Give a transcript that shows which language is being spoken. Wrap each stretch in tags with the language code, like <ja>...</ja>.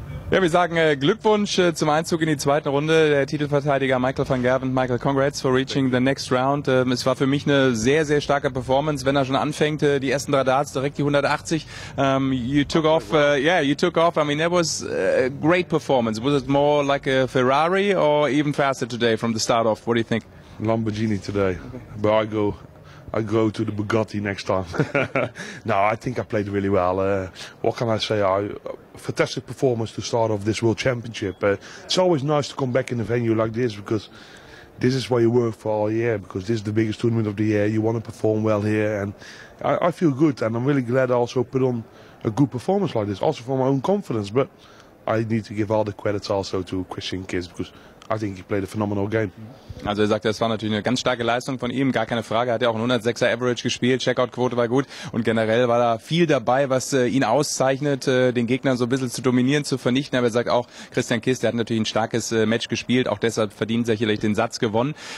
<de>Ja, wir sagen Glückwunsch zum Einzug in die zweite Runde. Der Titelverteidiger Michael van Gerwen.</de> <en>Michael, congrats for reaching the next round.</en> <de>Es war für mich eine sehr, sehr starke Performance, wenn er schon anfängt, die ersten drei Darts, direkt die 180.</de> <en>You took off. I mean, that was a great performance. Was it more like a Ferrari or even faster today from the start off? What do you think? Lamborghini today. Okay. But I go to the Bugatti next time. No, I think I played really well. What can I say? Fantastic performance to start off this World Championship. It's always nice to come back in a venue like this, because this is where you work for all year, because this is the biggest tournament of the year. You want to perform well here, and I feel good, and I'm really glad I also put on a good performance like this, also for my own confidence. But I need to give all the credits also to Christian Kiss, because I think he played a phenomenal game.</en> <de>Also er sagt, das war natürlich eine ganz starke Leistung von ihm, gar keine Frage. Er hat ja auch ein 106er Average gespielt, Checkout-Quote war gut und generell war da viel dabei, was ihn auszeichnet, den Gegner so ein bisschen zu dominieren, zu vernichten. Aber er sagt auch, Christian Kiss, der hat natürlich ein starkes Match gespielt, auch deshalb verdient sicherlich den Satz gewonnen.</de>